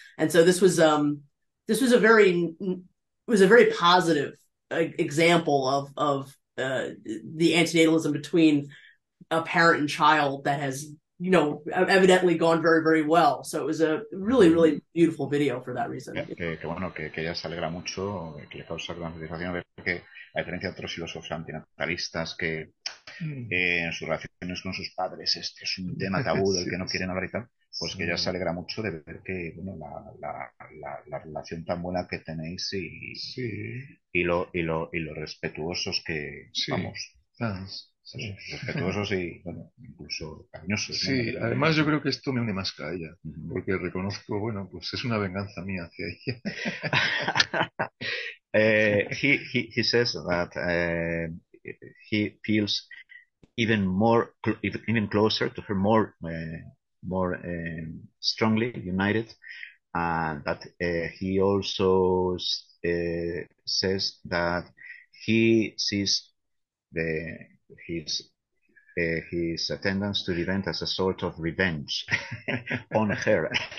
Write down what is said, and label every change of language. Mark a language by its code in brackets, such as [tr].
[en] And so this was a very positive example of the antinatalism between a parent and child that has evidently gone very, very well. So it was a really, really beautiful video for that reason. [es] Yeah, que bueno, que ella se alegra mucho, que le causa gran satisfacción ver que, a diferencia de otros filósofos antinatalistas, que en sus relaciones con sus padres este es un tema tabú del que no quieren hablar y tal, pues que ella se alegra mucho de ver que, bueno, la relación tan buena que tenéis y lo respetuosos que, vamos... Sí. Respetuosos y bueno, incluso cariñosos. Sí, ¿no? Además yo creo que esto me une más que a ella, porque reconozco, bueno, pues es una venganza mía hacia ella. [en] he says that he feels even more even closer to her, more strongly united, and that he also says that he sees his attendance to the event as a sort of revenge on her.